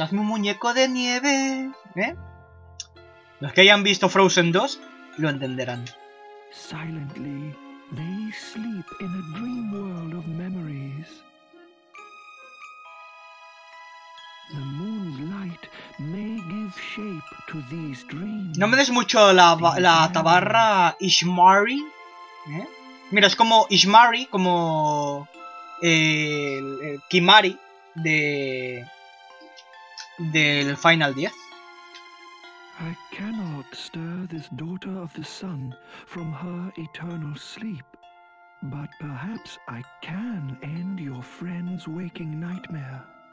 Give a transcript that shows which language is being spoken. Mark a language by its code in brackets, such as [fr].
[es] Hazme un muñeco de nieve, ¿eh? Los que hayan visto Frozen 2 lo entenderán. [en] Silently, they sleep in a dream world of memories. The moon's light may give shape to these dreams. [es] No me des mucho la tabarra Ishmari, ¿eh? Mira, es como Ishmari, como el Kimari de del Final 10. [en] I cannot stir this daughter of the sun from her eternal sleep, but perhaps I can end your friend's waking nightmare.